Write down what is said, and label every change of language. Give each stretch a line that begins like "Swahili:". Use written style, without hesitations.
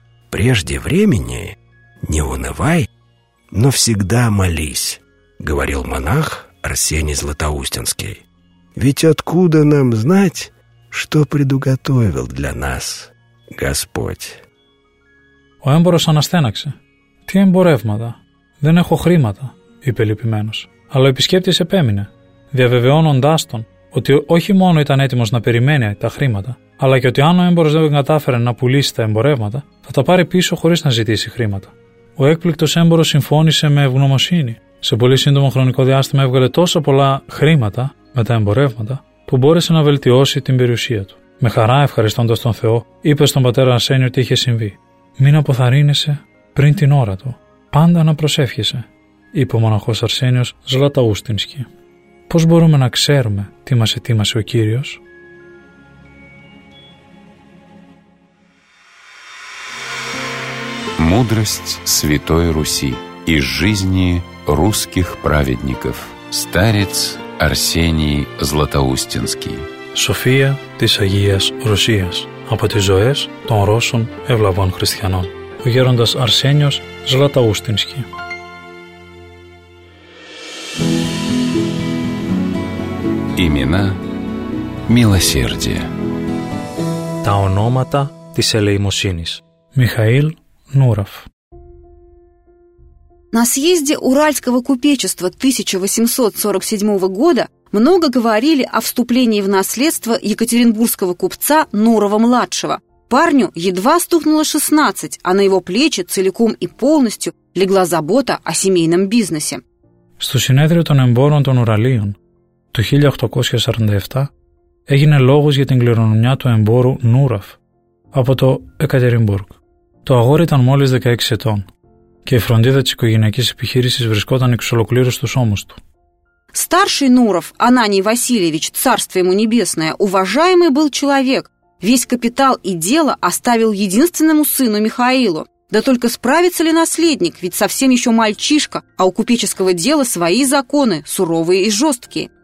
Russian: «Прежде времени не унывай, но всегда молись», — говорил монах Арсений Златоустинский. «Ведь откуда нам знать, что предуготовил для нас Господь?»
Greek: Ο έμπορος αναστέναξε. «Τι εμπορεύματα? Δεν έχω χρήματα», είπε λυπημένος. Αλλά ο επισκέπτης επέμεινε, διαβεβαιώνοντάς τον ότι όχι μόνο ήταν έτοιμος να περιμένει τα χρήματα, αλλά και ότι αν ο έμπορος δεν κατάφερε να πουλήσει τα εμπορεύματα, θα τα πάρει πίσω χωρίς να ζητήσει χρήματα. Ο έκπληκτος έμπορος συμφώνησε με ευγνωμοσύνη. Σε πολύ σύντομο χρονικό διάστημα έβγαλε τόσα πολλά χρήματα με τα εμπορεύματα, που μπόρεσε να βελτιώσει την περιουσία του. Με χαρά, ευχαριστώντας τον Θεό, είπε στον πατέρα Αρσένιο τι είχε συμβεί. «Μην αποθαρρύνεσαι πριν την ώρα του. Πάντα να προσεύχεσαι», είπε ο μοναχός Αρσένιος Ζλαταούστινσκι. «Πώς μπορούμε να ξέρουμε τι μας ετοίμασε ο Κύριος?» Μου
Russian: «Мудрость Святой Руси. Из жизни русских праведников». Старец Арсений Златоустинский.
Greek: София της Агίας Ρωσίας. Από τις ζωές των Ρώσων ευλαβών χριστιανών. Ο γέροντας Αρσένιος Златαούστινσκι.
Russian: Имена милосердия.
Greek: Τα ονόματα της ελεημοσύνης.
Russian: Михаил Нуров. На съезде Уральского купечества 1847 года много говорили о вступлении в наследство екатеринбургского купца Нурова-младшего. Парню едва стукнуло 16, а на его плечи целиком и полностью легла забота о семейном бизнесе.
Greek: Στο συνέδριο των εμπόρων των Ουραλίων το 1847 έγινε λόγος για την κληρονομιά του εμπόρου Νούραφ από το Εκατερινμπούργκ. Το αγόρι ήταν μόλις 16 ετών και η φροντίδα της οικογενειακής επιχείρησης βρισκόταν εξ ολοκλήρου στους ώμους του.
Russian: Старший Нуров, Ананий Васильевич, царство ему небесное, уважаемый был человек. Весь капитал и дело оставил единственному сыну Михаилу. Да только справится ли наследник, ведь совсем еще мальчишка, а у купеческого дела свои законы, суровые и жесткие.